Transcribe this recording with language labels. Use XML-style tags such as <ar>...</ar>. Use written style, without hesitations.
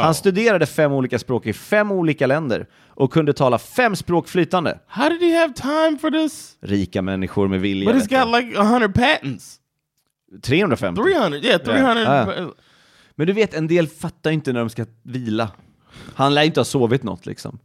<sv>Han studerade 5 olika språk i 5 olika länder. Och kunde tala 5 språk flytande.</sv> <en>How did he have time for this?</en> <sv>Rika människor med vilja.</sv> <en>But he's got like 100 patents. 350. 300, yeah, 300. Yeah.</en> <sv>Men du vet, en del fattar inte när de ska vila. Han lär inte ha sovit något, liksom.</sv>